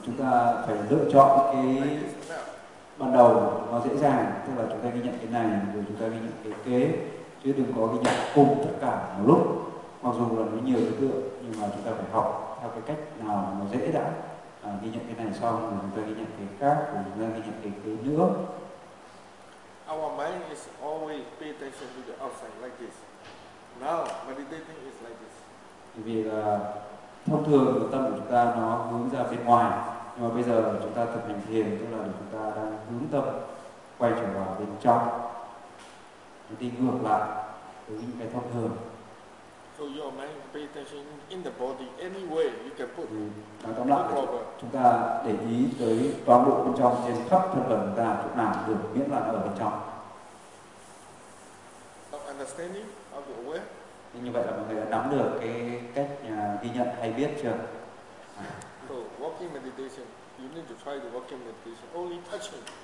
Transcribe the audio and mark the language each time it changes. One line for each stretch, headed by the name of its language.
Vietnamese: Chúng ta phải lựa chọn cái ban đầu nó dễ dàng, tức là chúng ta ghi nhận cái này rồi chúng ta ghi nhận cái kế, chứ đừng có ghi nhận cùng tất cả một lúc, mặc dù là nó nhiều đối tượng nhưng mà chúng ta phải học theo cái cách nào nó dễ đã. Ghi nhận cái này xong rồi chúng ta ghi nhận cái khác, rồi chúng ta ghi nhận cái kế nữa.
English: Our mind is always pay attention to the outside like this. Now meditating is like this.
Vietnamese: Vì là thông thường tâm của chúng ta nó hướng ra bên ngoài, nhưng mà bây giờ chúng ta tập hành thiền tức là chúng ta đang hướng tâm quay trở vào bên trong, chúng đi ngược lại với những cái thông thường.
English: So your mind pay attention in the body any way you can put.
Vietnamese: Tóm lại, chúng ta để ý tới toàn bộ bên trong trên khắp thân thể chúng ta chỗ nào được, miễn là ở bên trong.
English: Understanding of the aware.
Vietnamese: Như vậy là mọi người đã nắm được cái cách ghi nhận hay biết chưa?
English: So walking meditation, you need to try the walking meditation only touching.